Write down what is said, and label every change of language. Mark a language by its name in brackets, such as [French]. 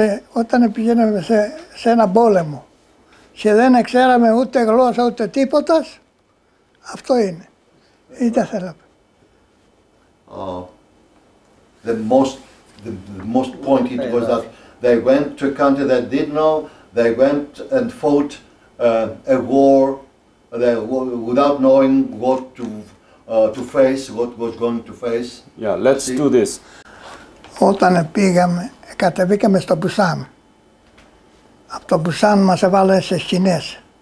[Greek] Όταν πηγαίναμε σε ένα πόλεμο και δεν ξέραμε ούτε γλώσσα ούτε τίποτα, αυτό είναι. Είτε θέλαμε. [English] The most point it was that they went to a country that did know, they went and fought a war without knowing what to face, what was going to face. Yeah, let's do this. [Greek] Όταν πήγαμε, κατεβήκαμε στο Μπουσάν. Από το Μπουσάν μας έβαλε σε σκηνές.